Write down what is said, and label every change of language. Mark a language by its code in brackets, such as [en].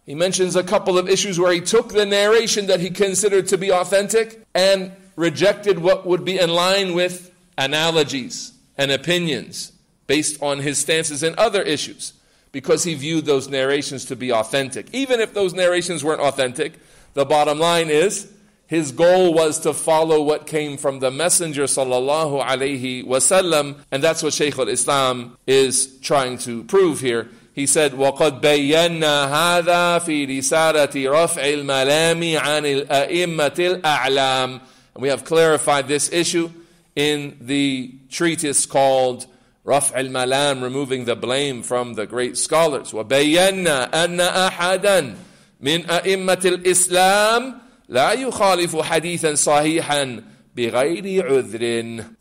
[en] He mentions a couple of issues where he took the narration that he considered to be authentic and rejected what would be in line with analogies and opinions based on his stances and other issues, because he viewed those narrations to be authentic. Even if those narrations weren't authentic, the bottom line is his goal was to follow what came from the Messenger sallallahu alayhi wasallam, and that's what Shaykh al-Islam is trying to prove here. He said, [ar] وَقَدْ بَيَّنَّا هَذَا فِي رِسَالَةِ رَفْعِ الْمَلَامِ عَنِ الْأَئِمَّةِ الْأَعْلَامِ. [en] And we have clarified this issue in the treatise called Raf al-Malam, Removing the Blame from the Great Scholars. [ar] وَبَيَّنَّا أَنَّ أَحَدًا مِنْ أَئِمَّةِ الْإِسْلَامِ لَا يُخَالِفُ حَدِيثًا صَحِيحًا بِغَيْرِ عُذْرٍ.